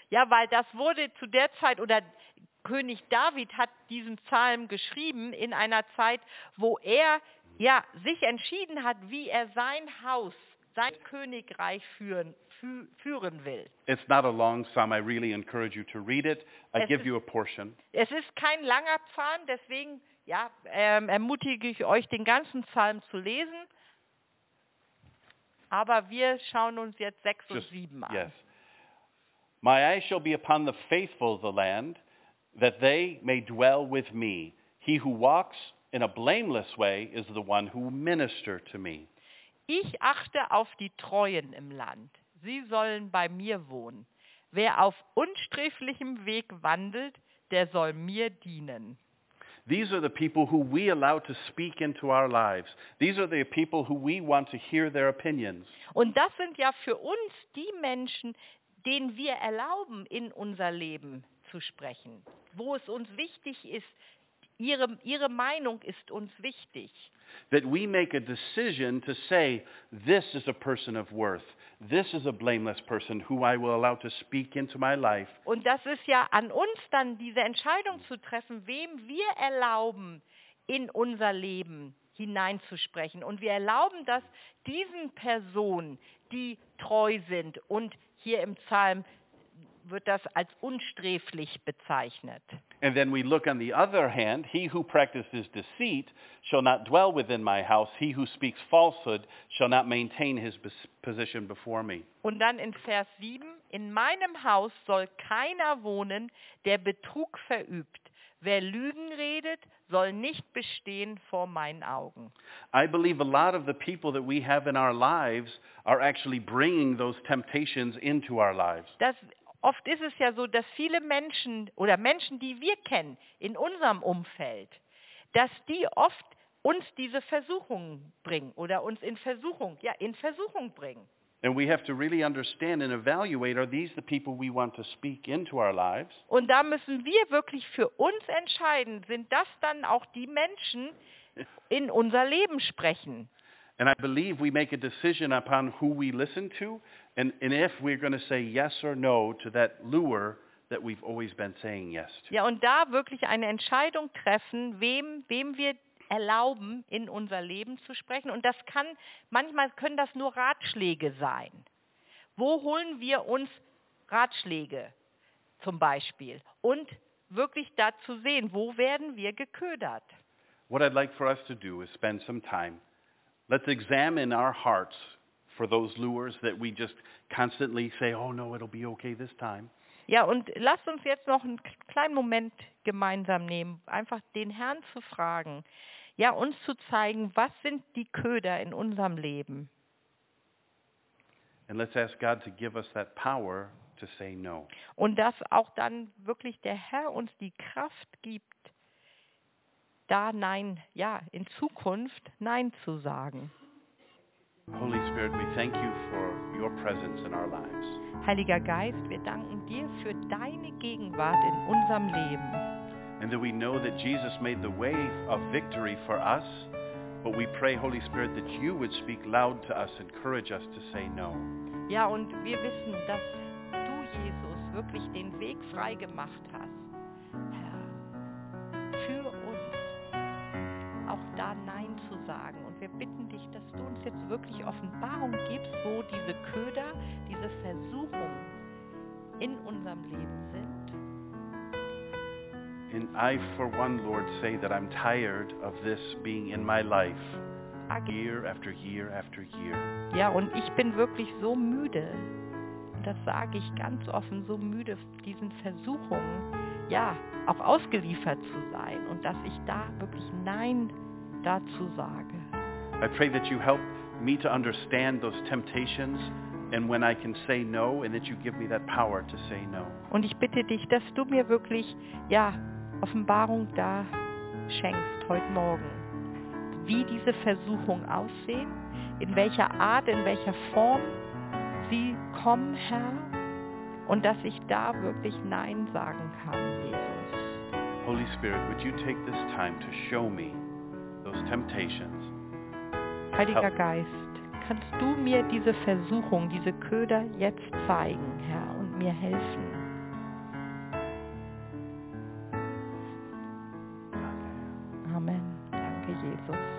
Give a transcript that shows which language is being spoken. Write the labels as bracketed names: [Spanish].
[German] Ja, weil das wurde zu der Zeit, oder König David hat diesen Psalm geschrieben in einer Zeit, wo er ja, sich entschieden hat, wie er sein Haus, sein Königreich führen will. [English] It's not a long psalm. I really encourage you to read it. I give you a portion. [German] Es ist kein langer Psalm, deswegen ja, ermutige ich euch, den ganzen Psalm zu lesen. Aber wir schauen uns jetzt 6 und 7 an. [English] Yes. My eyes shall be upon the faithful of the land, that they may dwell with me. He who walks in a blameless way is the one who minister to me. [German] Ich achte auf die Treuen im Land. Sie sollen bei mir wohnen. Wer auf unsträflichem Weg wandelt, der soll mir dienen. [English] These are the people who we allow to speak into our lives. These are the people who we want to hear their opinions. [German] Und das sind ja für uns die Menschen, denen wir erlauben, in unser Leben zu sprechen. Wo es uns wichtig ist, Ihre Meinung ist uns wichtig. [English] That we make a decision to say, this is a person of worth. This is a blameless person who I will allow to speak into my life. [German] Und das ist ja an uns dann, diese Entscheidung zu treffen, wem wir erlauben, in unser Leben hineinzusprechen. Und wir erlauben das diesen Personen, die treu sind. Und hier im Psalm wird das als unsträflich bezeichnet. [English] And then we look on the other hand, he who practices deceit shall not dwell within my house, he who speaks falsehood shall not maintain his position before me. [German] Und dann in Vers 7, in meinem Haus soll keiner wohnen, der Betrug verübt. Wer Lügen redet, soll nicht bestehen vor meinen Augen. [English] I believe a lot of the people that we have in our lives are actually bringing those temptations into our lives. [German] Oft ist es ja so, dass viele Menschen oder Menschen, die wir kennen in unserem Umfeld, dass die oft uns diese Versuchungen bringen oder uns in Versuchung bringen. [English] And we have to really understand and evaluate, are these the people we want to speak into our lives? [German] Und da müssen wir wirklich für uns entscheiden, sind das dann auch die Menschen, in unser Leben sprechen? [English] And I believe we make a decision upon who we listen to. And if we're going to say yes or no to that lure that we've always been saying yes to. [German] Ja, und da wirklich eine Entscheidung treffen, wem wir erlauben, in unser Leben zu sprechen. Und das kann, manchmal können das nur Ratschläge sein. Wo holen wir uns Ratschläge zum Beispiel? Und wirklich da zu sehen, wo werden wir geködert? [English] What I'd like for us to do is spend some time. Let's examine our hearts for those lures that we just constantly say, oh no, it'll be okay this time. [German] Ja, und lasst uns jetzt noch einen kleinen Moment gemeinsam nehmen, einfach den Herrn zu fragen, ja, uns zu zeigen, was sind die Köder in unserem Leben? [English] And let's ask God to give us that power to say no. [German] Und dass auch dann wirklich der Herr uns die Kraft gibt, da nein, ja, in Zukunft nein zu sagen. [English] Holy Spirit, we thank you for your presence in our lives. [German] Heiliger Geist, wir danken dir für deine Gegenwart in unserem Leben. [English] And that we know that Jesus made the way of victory for us, but we pray, Holy Spirit, that you would speak loud to us, encourage us to say no. [German] Ja, und wir wissen, dass du, Jesus, wirklich den Weg frei gemacht hast, Herr, für uns auch da nein zu sagen. Und wir bitten dich, dass du uns jetzt wirklich Offenbarung gibst, wo diese Köder, diese Versuchung in unserem Leben sind. [English] And I for one, Lord, say that I'm tired of this being in my life, year after year after year. [German] Ja, und ich bin wirklich so müde, das sage ich ganz offen, so müde, diesen Versuchungen, ja, auch ausgeliefert zu sein und dass ich da wirklich Nein dazu sage. [English] I pray that you help me to understand those temptations and when I can say no and that you give me that power to say no. [German] Und ich bitte dich, dass du mir wirklich, ja, Offenbarung da schenkst heute Morgen, wie diese Versuchung aussehen, in welcher Art, in welcher Form sie kommen, Herr, und dass ich da wirklich Nein sagen kann, Jesus. [English] Holy Spirit, would you take this time to show me those temptations? [German] Heiliger Geist, kannst du mir diese Versuchung, diese Köder jetzt zeigen, Herr, und mir helfen? Amen. Danke, Jesus.